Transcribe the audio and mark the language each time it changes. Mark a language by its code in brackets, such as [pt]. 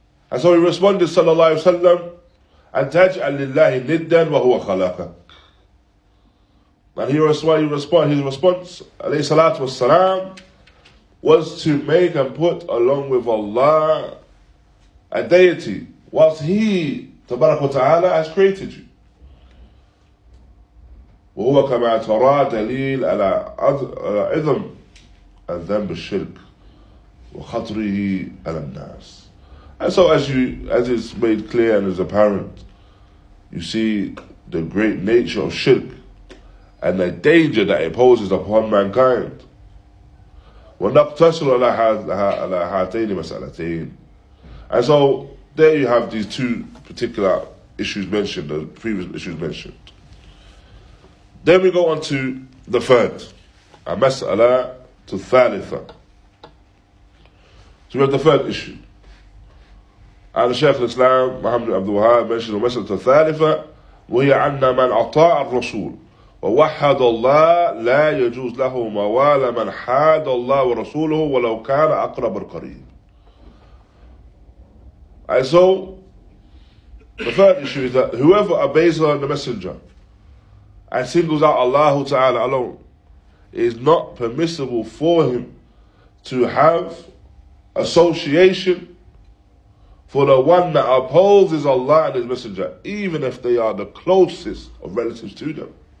[en] And so he responded, sallallahu alayhi wa sallam, [ar] أَتَجْعَلْ لِلَّهِ نِدًّا وَهُوَ خَلَقًا. [en] And his response, alayhi salatu wassalam, was to make and put along with Allah a deity whilst He, tabarak wa ta'ala, has created you. [ar] وهو كما ترى دليل على عظم الذنب الشرك وخطره على الناس. [en] And so as is made clear and is apparent, you see the great nature of shirk and the danger that it poses upon mankind. [ar] ونقتصر على هاتين مسألتين. [en] And so there you have these two particular issues mentioned, the previous issues mentioned. Then we go on to the third. [ar] المسألة الثالثة. [en] So we have the third issue. And Shaykh al-Islam, Muhammad ibn Abdul Wahhab, mentioned the [ar] مسألة الثالثة. وهي أن من أطاع الرسول ووحد الله لا يجوز له موال من حاد الله ورسوله ولو كان أقرب القريب. [en] And so, the third issue is that whoever obeys Allah and the Messenger and singles out Allah Ta'ala alone, it is not permissible for him to have association for the one that opposes Allah and His Messenger, even if they are the closest of relatives to them.